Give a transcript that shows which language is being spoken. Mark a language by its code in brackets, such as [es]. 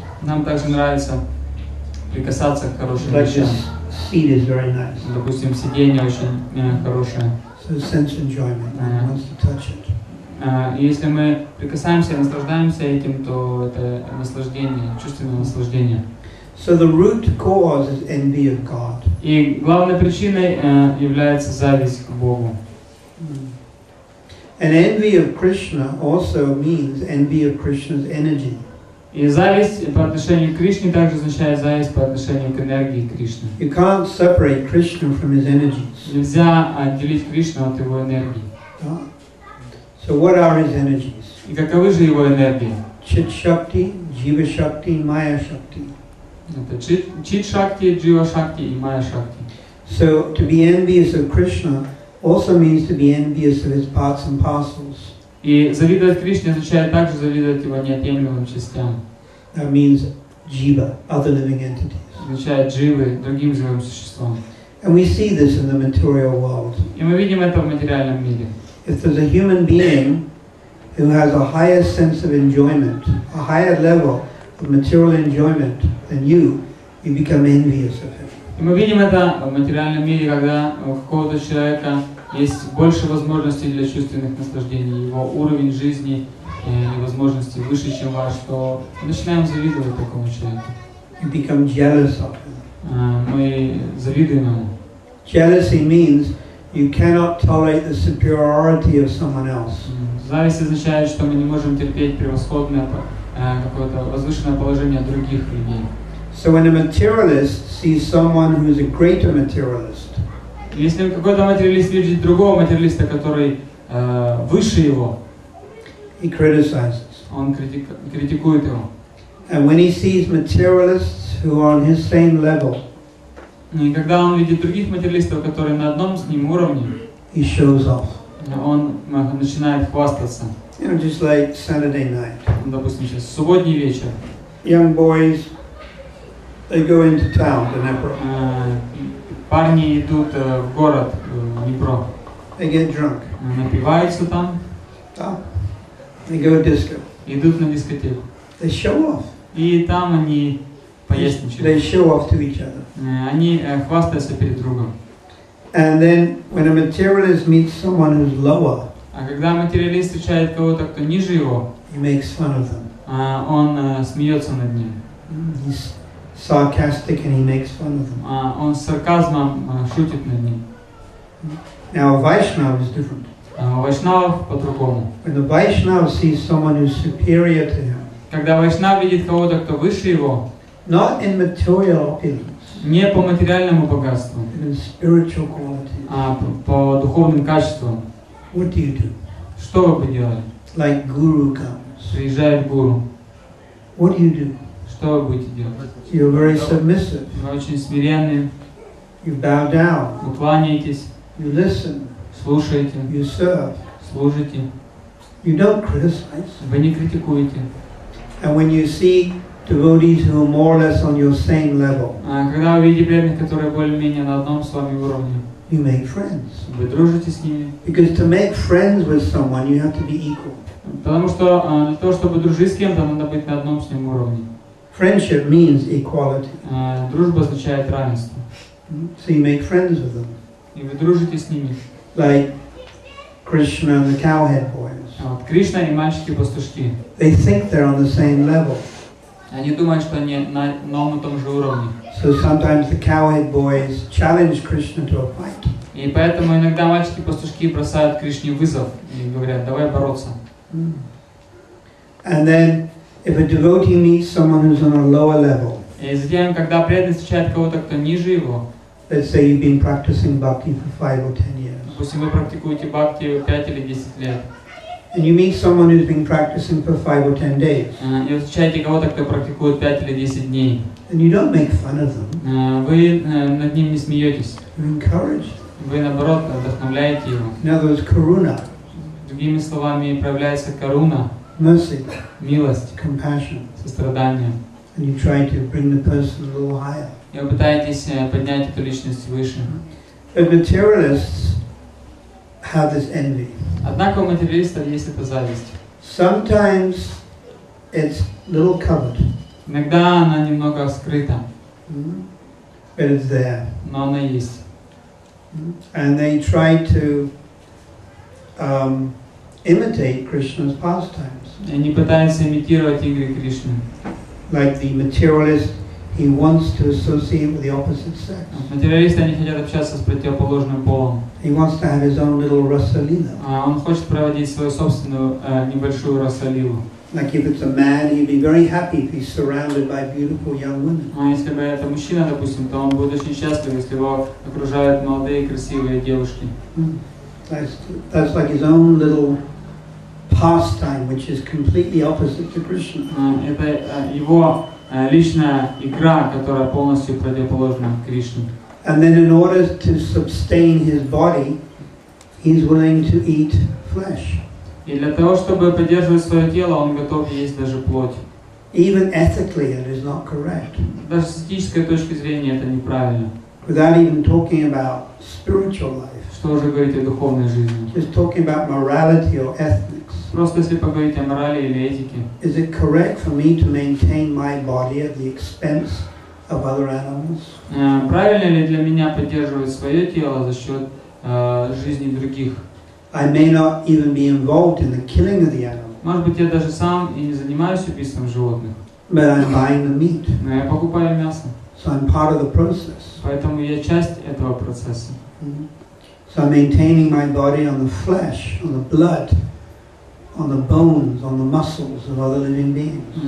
[ru] Нам также нравится прикасаться к хорошим вещам. [en] Seat is very nice. [ru] Допустим, сиденье очень хорошее. [en] So sense enjoyment. Wants to touch it. [ru] Если мы прикасаемся и наслаждаемся этим, то это наслаждение, чувственное наслаждение. [en] So the root cause is envy of God. [ru] И главной причиной является зависть к Богу. [en] And envy of Krishna also means envy of Krishna's energy. [ru] И зависть по отношению к Кришне также означает зависть по отношению к энергии Кришны. [en] You can't separate Krishna from his energies. [ru] Нельзя отделить Кришну от его энергии. [en] So what are his energies? [ru] И каковы же его энергии? [en] Chit Shakti, Jiva Shakti, Maya Shakti. [ru] Это Chit Shakti, Jiva Shakti и Maya Shakti. [en] So to be envious of Krishna also means to be envious of his parts and parcels. [ru] И завидовать Кришне означает также завидовать его неотъемлемым частям. [en] That means jiva, other living entities. [ru] Означает дживы, другим живым существам. [en] And we see this in the material world. [ru] И мы видим это в материальном мире. [en] If there's a human being who has a higher sense of enjoyment, a higher level of material enjoyment than you, you become envious of him. [ru] И мы видим это в материальном мире, когда у какого-то человека есть больше возможностей для чувственных наслаждений, его уровень жизни и возможности выше, чем ваш, то мы начинаем завидовать такому человеку. [en] You become jealous of him. [ru] Мы завидуем ему. [en] Jealousy means you cannot tolerate the superiority of someone else. [ru] Зависть означает, что мы не можем терпеть превосходное какое-то возвышенное положение других людей. [en] So when a materialist sees someone who is a greater materialist, [ru] если какой-то материалист видит другого материалиста, который выше его, [en] he criticizes. [ru] Он критикует его. [en] And when he sees materialists who are on his same level, [ru] и когда он видит других материалистов, которые на одном с ним уровне, [en] he shows off. [ru] Он начинает хвастаться. [en] You know, just like Saturday night. [ru] Допустим, сейчас субботний вечер. [en] Young boys, they go into town, to Dnipro. [ru] Парни идут в город, в Днепро. [en] They get drunk. [ru] Напиваются там. Да. [en] They go to disco. [ru] Идут на дискотеку. [en] They show off. [ru] И там они поясничают. [en] They show off to each other. [ru] Они хвастаются перед другом. [en] And then when a materialist meets someone who's lower, [ru] а когда материалист встречает кого-то, кто ниже его, [en] he makes fun of them. [ru] Он смеется над ним. [en] Sarcastic, and he makes fun of them. [ru] Он сарказмом шутит над ним. [en] Now a Vaishnava is different. [ru] Vaishnava по-другому. [en] When the Vaishnava sees someone who's superior to him, [ru] когда Vaishnava видит кого-то, кто выше его, [en] not in material opulence, [ru] не по материальному богатству, [en] but in spiritual qualities, [ru] по духовным качествам, [en] what do you do? [ru] Что вы поделали? [en] Like guru comes. [ru] Приезжает гуру. [en] What do you do? [ru] Что вы будете делать? [en] You're very submissive. [ru] Вы очень смиренные. [en] You bow down. [ru] Вы кланяетесь. [en] You listen. [ru] Слушаете. [en] You serve. [ru] Служите. [en] You don't criticize. [ru] Вы не критикуете. [en] And when you see devotees who are more or less on your same level, [ru] когда вы видите преданных, которые более-менее на одном с вами уровне, [en] you make friends. [ru] Вы дружите с ними. [en] Because to make friends with someone, you have to be equal. [ru] Потому что для того, чтобы дружить с кем-то, надо быть на одном с ним уровне. [en] Friendship means equality. [ru] Дружба означает равенство. [en] So you make friends with them. [ru] И вы дружите с ними. [en] Like Krishna and the cowherd boys. [ru] Кришна и мальчики-пастушки. [en] They think they're on the same level. [ru] Они думают, что они на одном и том же уровне. [en] So sometimes the cowherd boys challenge Krishna to a fight. [ru] И поэтому иногда мальчики-пастушки бросают Кришне вызов и говорят: давай бороться. [en] And then if a devotee meets someone who's on a lower level, [ru] когда преданный встречает кого-то, кто ниже его, [en] let's say you've been practicing bhakti for 5 or 10 years, [ru] допустим, вы практикуете бхакти 5 или 10 лет, [en] And you meet someone who's been practicing for 5 or 10 days. [uk] І ви зустрічаєте когось, хто практикує 5 чи 10 днів. [en] And you don't make fun of them. [uk] Ви над ним не смієтесь. [en] You encourage. [uk] Ви наоборот вдохновляєте його. [en] In other words, karuna. [ru] Другими словами, проявляється каруна. [en] Mercy. [ru] Милость. [en] Compassion. [uk] Сострадання. [en] And you try to bring the person a little higher. [uk] І ви намагаєтесь підняти ту личність вище. [en] But materialists have this envy. [ru] Однако у материалистов есть эта зависть. [en] Sometimes it's little covered. [ru] Иногда она немного скрыта. [en] But it's there. [ru] Но она есть. [en] And they try to imitate Krishna's pastimes. [ru] И они пытаются имитировать игры Кришны. [en] Like the materialist, he wants to associate with the opposite sex. [ru] Материалисты, они хотят общаться с противоположным полом. [en] He wants to have his own little rasalila. [ru] Он хочет проводить свою собственную небольшую rasalilu. [en] Like if it's a man, he'd be very happy if he's surrounded by beautiful young women. [ru] А если бы это мужчина, допустим, то он будет очень счастлив, если его окружают молодые красивые девушки. [en] That's like his own little pastime, which is completely opposite to Krishna. [ru] Это его личная игра, которая полностью противоположна Кришне. [en] And then in order to sustain his body, he's willing to eat flesh. [ru] И для того, чтобы поддерживать свое тело, он готов есть даже плоть. [en] Even ethically it is not correct. [ru] Даже с этической точки зрения это неправильно. [en] Without even talking about spiritual life. [ru] Что уже говорить о духовной жизни? [en] Just talking about morality or ethics. [ru] Просто если поговорить о морали или этике. [en] Is it correct for me to maintain my body at the expense of other animals? [ru] Правильно ли для меня поддерживать свое тело за счет жизни других? [en] I may not even be involved in the killing of the animals. [ru] Может быть, я даже сам и не занимаюсь убийством животных. [en] But I'm buying the meat. [ru] Но я покупаю мясо. [en] So I'm part of the process. [ru] Поэтому я часть этого процесса. [en] So I'm maintaining my body on the flesh, on the blood, on the bones, on the muscles of other living beings.